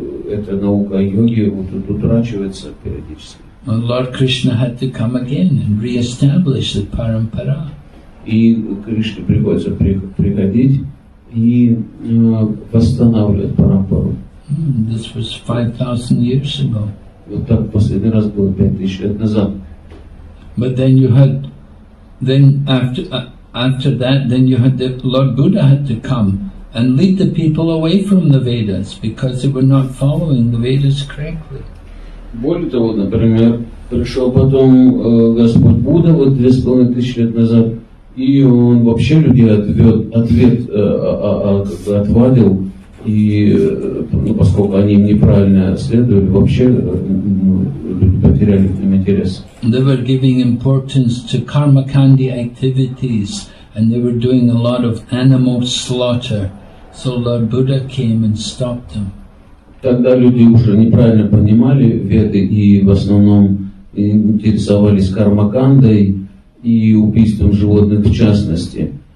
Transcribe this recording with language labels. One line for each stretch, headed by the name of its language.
Russian: Эта наука йоги вот утрачивается периодически.
English: Lord Krishna had to come again and re-establish the parampara.
Russian: И Кришне приходится приходить и восстанавливать парампару.
English: This was 5,000 years ago.
Russian: Вот так последний раз было 5000 лет назад.
English: But then you had, then after that, then you had the Lord Buddha had to come and lead the people away from the Vedas because they were not following the Vedas correctly.
Russian: Более того, например, пришел потом Господь Будда вот 2500 лет назад. И он вообще людей отвадил, и ну, поскольку они неправильно следовали, вообще люди потеряли к ним интерес.
English: They were giving importance to karmakandi activities, and they were doing a lot of animal slaughter. So Lord Buddha came and stopped them.
Russian: Тогда люди уже неправильно понимали веды и в основном интересовались кармакандой и убийством животных в частности.